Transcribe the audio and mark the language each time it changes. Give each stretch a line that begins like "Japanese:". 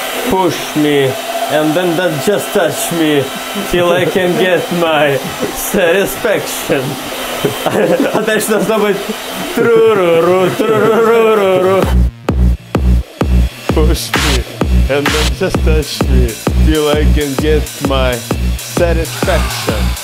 English: Push me, and then don't just touch me, till I can get my satisfaction.
Russian: А дальше должно быть тру-ру-ру, тру-ру-ру-ру-ру.
English: Push me, and then just touch me, till I can get my satisfaction.